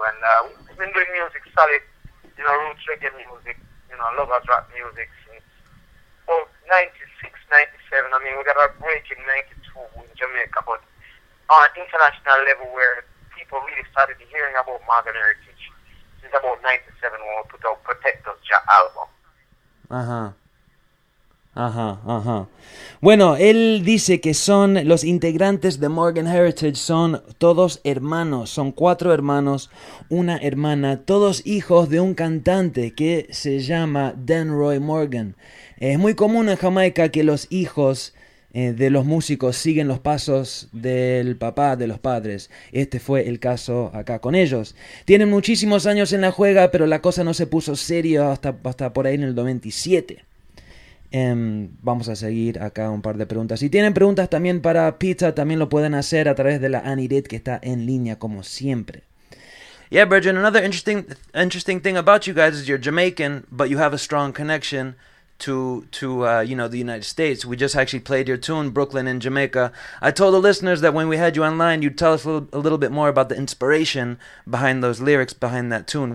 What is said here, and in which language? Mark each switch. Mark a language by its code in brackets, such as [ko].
[en] And we've been doing music solid, you know, roots reggae music, you know, love rock music since 96, 97. I mean, we got a break in 92 in Jamaica, but on an international level where people really started hearing about Morgan Heritage since about 97 when we put out Protect Us, Jah album. Uh-huh. Ajá, ajá. [es] Bueno, él dice que son los integrantes de Morgan Heritage, son todos hermanos, son cuatro hermanos, una hermana, todos hijos de un cantante que se llama Denroy Morgan. Es muy común en Jamaica que los hijos de los músicos siguen los pasos del papá, de los padres. Este fue el caso acá con ellos. Tienen muchísimos años en la juega, pero la cosa no se puso serio hasta por ahí en el 97. Vamos a seguir acá un par de preguntas. Si tienen preguntas también para Pizza, también lo pueden hacer a través de la Anirit, que está en línea como siempre. [en] Yeah, Bridget, another interesting thing about you guys is you're Jamaican, but you have a strong connection to the United States. We just actually played your tune, Brooklyn in Jamaica. I told the listeners that when we had you online, you'd tell us a little bit more about the inspiration behind those lyrics, behind that tune.